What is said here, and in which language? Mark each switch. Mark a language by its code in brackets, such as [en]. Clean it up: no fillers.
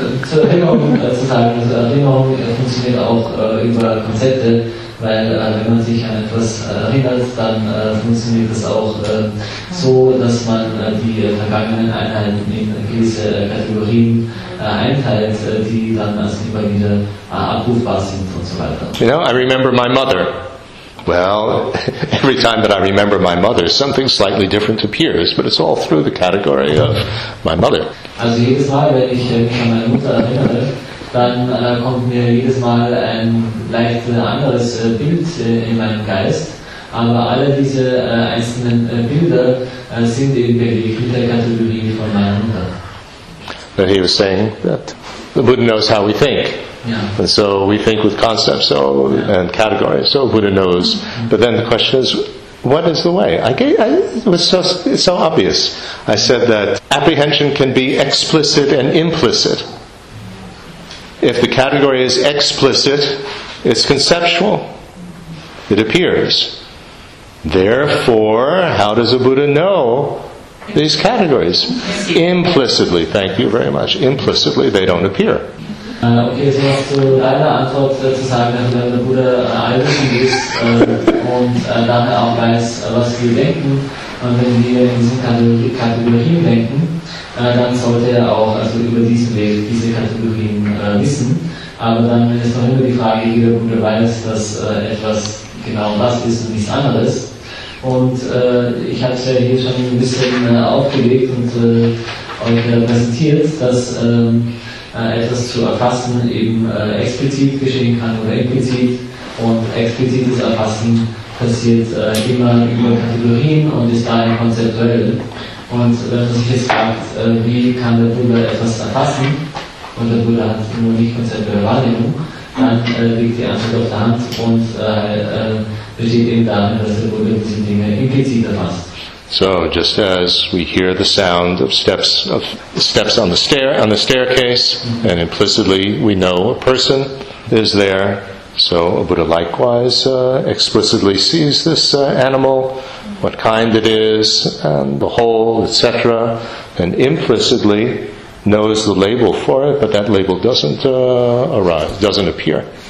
[de] Zur Erinnerung zu sagen, also Erinnerung funktioniert auch über Konzepte, weil wenn man sich an etwas erinnert, dann funktioniert es auch so, dass man die vergangenen Einheiten in gewisse Kategorien einteilt, die dann also immer wieder abrufbar sind und so weiter. [en] You know, I remember my mother. Well, every time that I remember my mother, something slightly different appears, but it's all through the category of my mother. Also jedes Mal, wenn ich mich an meine Mutter erinnere, dann kommt mir jedes Mal ein leicht anderes Bild in meinen Geist. Aber alle diese einzelnen Bilder sind eben belegt mit der Kategorie von meiner Mutter. But he was saying that the Buddha knows how we think. Yeah. And so we think with concepts and categories, so Buddha knows. Mm-hmm. But then the question is, what is the way? It's so obvious. I said that apprehension can be explicit and implicit. If the category is explicit, it's conceptual. It appears. Therefore, how does a Buddha know these categories? Implicitly, thank you very much. Implicitly, they don't appear. [de] Okay, so noch zu deiner Antwort zu sagen, dass wenn der Buddha allwissend ist und daher auch weiß, was wir denken, und wenn wir in diesen Kategorien denken, dann sollte er auch also über diesen Weg diese Kategorien wissen. Aber dann ist noch immer die Frage, wie der Buddha weiß, dass etwas genau das ist und nichts anderes. Und ich habe es ja hier schon ein bisschen aufgelegt und euch präsentiert, dass etwas zu erfassen eben explizit geschehen kann oder implizit. Und explizites Erfassen passiert immer über Kategorien und ist daher konzeptuell. Und wenn man sich jetzt fragt, wie kann der Buddha etwas erfassen, und der Buddha hat nur nicht konzeptuelle Wahrnehmung, dann liegt die Antwort auf der Hand und besteht eben darin, dass der Buddha diese Dinge implizit erfasst. [en] So, just as we hear the sound of steps on the stair on the staircase, and implicitly we know a person is there, so a Buddha likewise explicitly sees this animal, what kind it is, and the whole, etc., and implicitly knows the label for it, but that label doesn't arise, doesn't appear.